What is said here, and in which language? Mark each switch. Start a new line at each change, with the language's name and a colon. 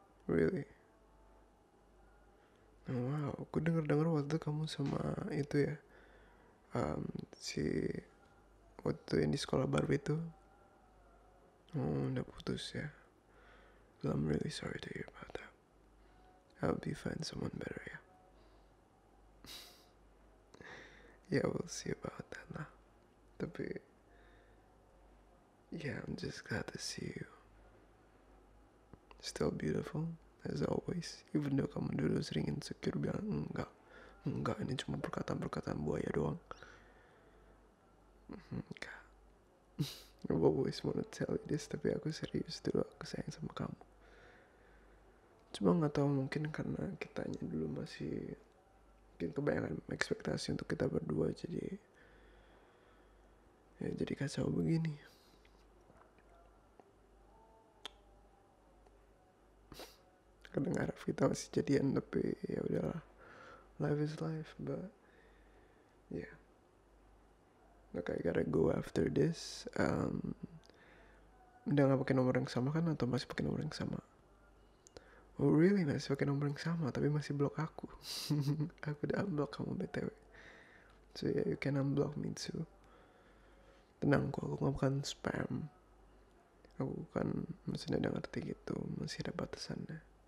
English: Really?
Indonesian: Wow, aku dengar-dengar waktu kamu sama itu ya, si waktu yang di sekolah baru itu, udah putus ya.
English: Well, I'm really sorry to hear about that. I'll be find someone better ya. Yeah, we'll see about that lah.
Indonesian: Tapi,
English: yeah, I'm just glad to see you. Still beautiful, as always. Even though
Indonesian: kamu dulu sering insecure bilang, enggak, ini cuma perkataan-perkataan buaya doang. Enggak.
English: I always wanna tell you this,
Indonesian: tapi aku serius dulu, aku sayang sama kamu. Cuma gak tahu mungkin karena kitanya dulu masih mungkin kebanyakan ekspektasi untuk kita berdua, jadi ya jadi kacau begini. Kedengar kita masih jadian, tapi ya udahlah,
English: life is life. But yeah, look, I gotta go after this.
Indonesian: Udah gak pakai nomor yang sama kan, atau masih pakai nomor yang sama?
English: Oh really,
Indonesian: masih pakai nomor yang sama tapi masih blok aku. Aku udah
English: unblock
Indonesian: kamu
English: btw, so yeah, you can unblock me too.
Indonesian: Tenang kok, aku gak bukan spam, aku kan masih udah ngerti gitu, masih ada batasannya.